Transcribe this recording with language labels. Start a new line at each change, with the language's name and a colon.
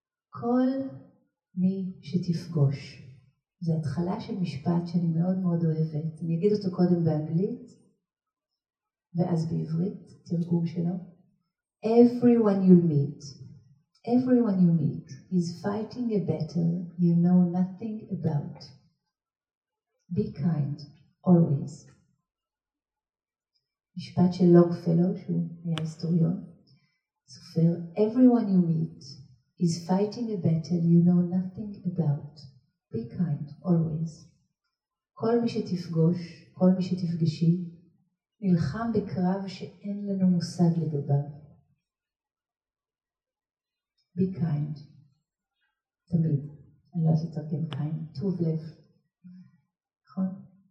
Hebrew: כל מי שתפגוש, זה התחלה של משפט שאני מאוד מאוד אוהבת, אני אגיד אותו קודם באנגלית, ואז בעברית, תרגום שלו.
English: Everyone you meet. Everyone you meet is fighting a battle you know nothing about. Be kind, always.
Hebrew: משפט של לונגפלו, שהוא היה היסטוריון, סופר,
English: Everyone you meet is fighting a battle you know nothing about. Be kind, always.
Hebrew: כל מי שתפגוש, כל מי שתפגשי, נלחם בקרב שאין לנו מושג לגביו.
English: Be kind.
Hebrew: תמיד. אני לא יודעת לתרגם kind. טוב לב. נכון?